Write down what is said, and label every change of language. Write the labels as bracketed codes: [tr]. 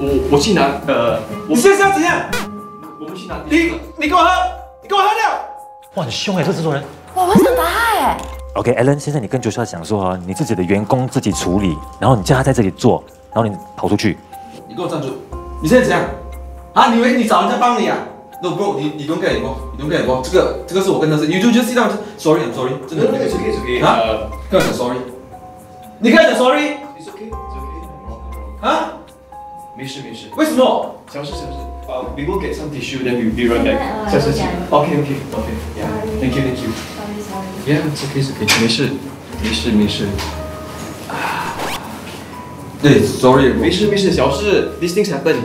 [zh] 我去拿，你现在要怎样？我们去拿，你给我喝，你给我喝掉，哇，很凶哎、欸，这制作人，哇，我想打哎、欸。 OK， Alan， 现在你跟 Joshua 讲说、啊、你自己的员工自己处理，然后你叫他在这里做，然后你跑出去。你给我站住！你现在怎样？啊，你以为你找人家帮你啊 ？ No bro，你 don't get it bro，你 don't get it bro， 这个是我跟他是 ， you do just sit down， sorry， I'm sorry，真的。 [en] No， it's okay， it's okay。 啊， [zh] 跟我讲 sorry， 你跟我讲 sorry。 [en] It's okay， it's okay。啊？ [zh] 没事没事。为什么？小事小事。 [en] We will get some tissue， then we'll be right back。 [zh] 小事情。 [en] OK OK OK， yeah， thank you thank you。 Yeah, it's okay, it's okay. [zh] 没事，没事，没事。对 ，sorry，没事，没事，小事。 These things happen.